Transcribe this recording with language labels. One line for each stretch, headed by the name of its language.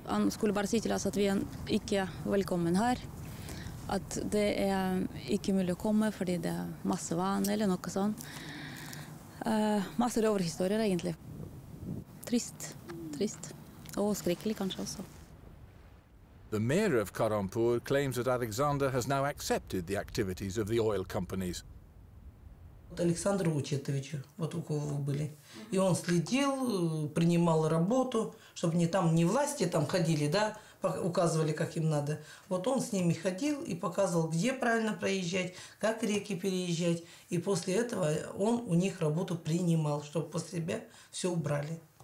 Norwegian: Han skulle bare si til oss at vi ikke er velkommen her, at det er ikke mulig å komme fordi det er masse vann eller noe sånt. Masse røverhistorier egentlig. Trist, trist. Og skrikkelig kanskje også.
English: The mayor of Karampur claims that Alexander has now accepted the activities of the oil companies.
Russian: Александр Учитович, вот у кого вы были. И он следил, принимал работу, чтобы не там, не власти там ходили, да, указывали, как им надо. Вот он с ними ходил и показывал, где правильно проезжать, как реки переезжать. И после этого он у них работу принимал, чтобы после себя все убрали.